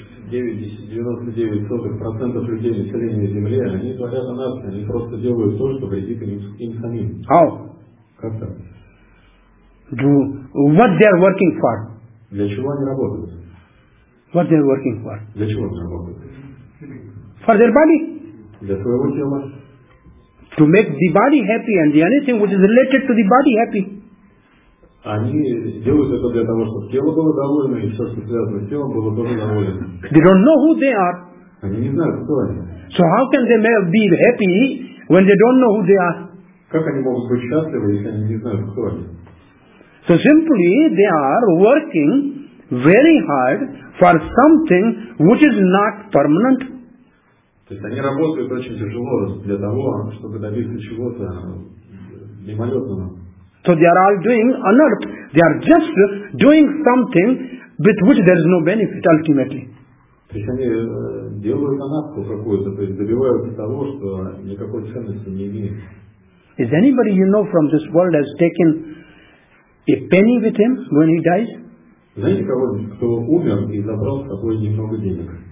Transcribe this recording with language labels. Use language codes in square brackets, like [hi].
[ru] 99.9% людей населения Земли, они творят анартху, они просто делают то, что вредит им самим. [en] How? [ru] Как так? [en] What they are working for? [ru] Для чего они работают? [en] What they are working for? [ru] Для чего они работают? [en] For their body. [ru] Для своего тела. [en] To make the body happy and the anything which is related to the body happy. [ru] Они делают это для того, чтобы тело было довольно и все, что связано с телом, было тоже довольно. [en] They don't know who they are. [ru] Они не знают, кто они. [en] So how can they be happy when they don't know who they are? [ru] Как они могут быть счастливы, если они не знают, кто они? [en] So simply they are working very hard for something which is not permanent. [ru] То есть они работают очень тяжело для того, чтобы добиться чего-то мимолетного. [en] So they are all doing anart. They are just doing something with which there is no benefit ultimately. [ru] То есть они делают анартху какую-то, то есть добиваются того, что никакой ценности не имеет. [en] Is anybody you know from this world has taken a penny with him when he dies? [ru] Знаете кого, кто умер и забрал с собой немного денег?